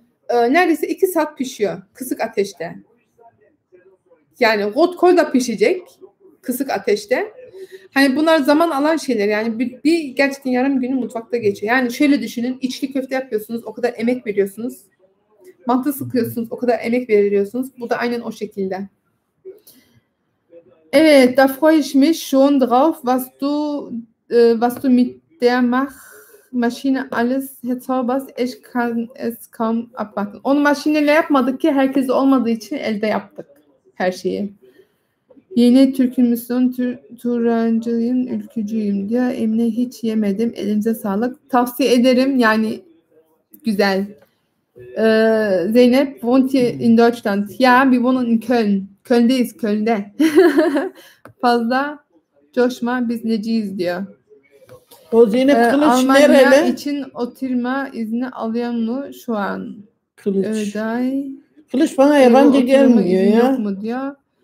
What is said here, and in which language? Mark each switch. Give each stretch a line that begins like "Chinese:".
Turkish: Neredeyse 2 saat pişiyor kısık ateşte. Yani rotkohl da pişecek kısık ateşte. Hani bunlar zaman alan şeyler. Yani bir gerçekten yarım günü mutfakta geçiyor. Yani şöyle düşünün. İçli köfte yapıyorsunuz. O kadar emek veriyorsunuz. Mantı sıkıyorsunuz. O kadar emek veriyorsunuz. Bu da aynen o şekilde. Evet.
German: Da freue ich mich schon drauf, was du mit der Maschine alles herzauberst. Ich kann es kaum abwarten.
Turkish: Onu maşinle yapmadık ki herkes olmadığı için elde yaptık. Her şeyi. Yeni Türk'ümüzün turancıyım, ülkücüyüm diyor. Emine hiç yemedim. Elinize sağlık. Tavsiye ederim. Yani güzel.
German: Zeynep, wohnt ihr in Deutschland? Ja, wir wohnen in Köln.
Turkish: Köln'deyiz, Köln'de. Fazla coşma, biz neciyiz diyor. O Zeynep Kılıç Almanya nereli? Almanya için oturma izni alıyor mu şu an? Kılıç. Öday. Kılıç bana yabancı gelmiyor ya. Yok mu diyor.